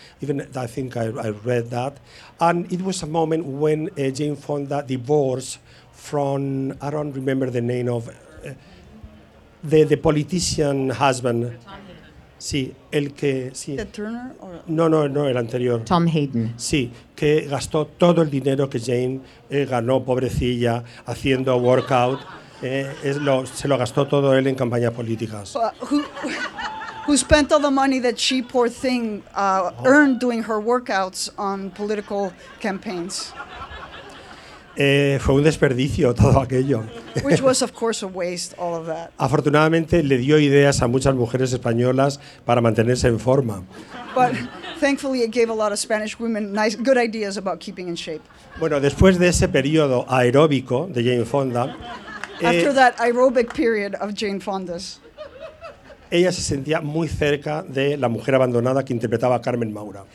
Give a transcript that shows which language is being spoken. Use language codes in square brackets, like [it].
[en] Even I think I read that, and it was a moment when Jane Fonda divorced from, I don't remember the name of the politician husband. [es] Sí, el que sí. [en] The Turner or [es] no, el anterior. Tom Hayden. Sí, que gastó todo el dinero que Jane ganó, pobrecilla, haciendo workout. Se lo gastó todo él en campañas políticas. [en] Who spent all the money that she, poor thing, earned doing her workouts on political campaigns? [es] Fue un desperdicio todo aquello. [en] Which was, of course, a waste, all of that. [es] Afortunadamente, le dio ideas a muchas mujeres españolas para mantenerse en forma. [en] But thankfully, it gave a lot of Spanish women nice, good ideas about keeping in shape. [es] Bueno, después de ese periodo aeróbico de Jane Fonda. [en] After that aerobic period of Jane Fonda's. [es] ella se sentía muy cerca de la mujer abandonada que interpretaba Carmen Maura.